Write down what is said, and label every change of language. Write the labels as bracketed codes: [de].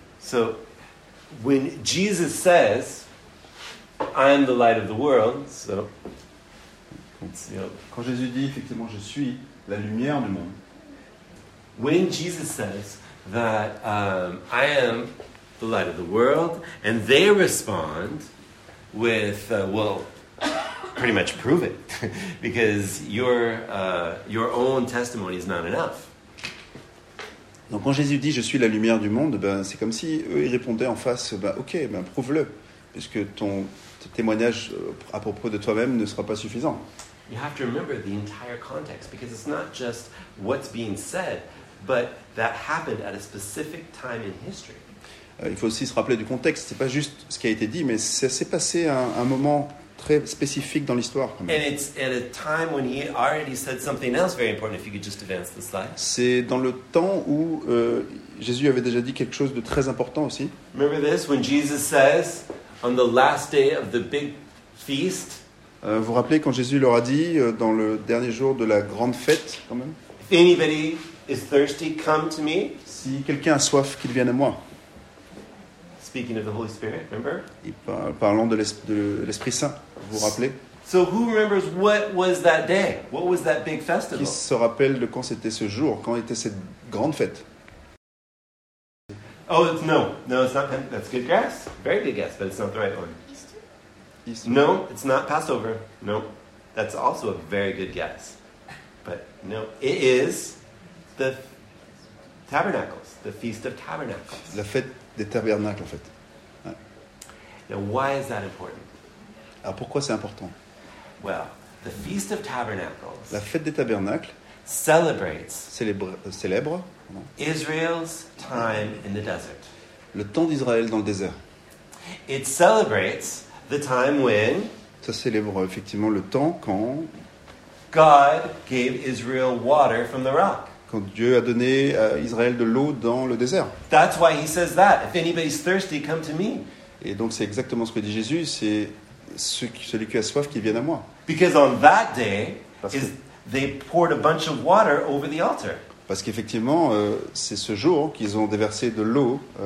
[en] So, when Jesus says, I am the light of the world, so... [fr] Quand Jésus dit, effectivement, je suis la lumière du monde. [en] When Jesus says that I am the light of the world, and they respond with, well, pretty much prove it, because your own testimony is not enough. [fr] Donc quand Jésus dit « Je suis la lumière du monde », ben c'est comme si eux, ils répondaient en face ben, « Ok, ben, prouve-le, puisque ton témoignage à propos de toi-même ne sera pas suffisant. » [en] You have to remember the entire context, because it's not just what's being said, but that happened at a specific time in history. [fr] Il faut aussi se rappeler du contexte, c'est pas juste ce qui a été dit, mais ça s'est passé à un moment très spécifique dans l'histoire. [en] And it's at a time when he already said something else very important, if you could just advance the slide. [fr] C'est dans le temps où Jésus avait déjà dit quelque chose de très important aussi. [en] Remember this, when Jesus says, on the last day of the big feast. [fr] Vous rappelez quand Jésus leur a dit, dans le dernier jour de la grande fête, quand même. [en] If anybody is thirsty, come to me. [fr] Si quelqu'un a soif, qu'il vienne à moi. [en] Speaking of the Holy Spirit, remember? [fr] Parlant de l'Esprit Saint, vous vous rappelez? [en] So who remembers what was that day? What was that big festival? [fr] Qui se rappelle de quand c'était ce jour? Quand était cette grande fête? [en] Oh, no, it's not. That's a good guess. Very good guess, but it's not the right one. Easter. No, it's not Passover. No, that's also a very good guess. But no, it is the Tabernacles, the Feast of Tabernacles. [fr] La fête des tabernacles, en fait. Ouais. [en] Now, why is that important? [fr] Alors, pourquoi c'est important? [en] Well, the Feast of Tabernacles. [fr] La fête des tabernacles. [en] Celebrates. [fr] Célèbre. Non. [en] Israel's time in the desert. [fr] Le temps d'Israël dans le désert. [en] It celebrates the time when. [fr] Ça célèbre effectivement le temps quand. [en] God gave Israel water from the rock. [fr] Quand Dieu a donné à Israël de l'eau dans le désert. [en] That's why he says that. If anybody's thirsty, come to me. [fr] Et donc c'est exactement ce que dit Jésus, c'est celui qui a soif qu'il vienne à moi. [en] Because on that day they poured a bunch of water over the altar. [fr] Parce qu'effectivement c'est ce jour qu'ils ont déversé de l'eau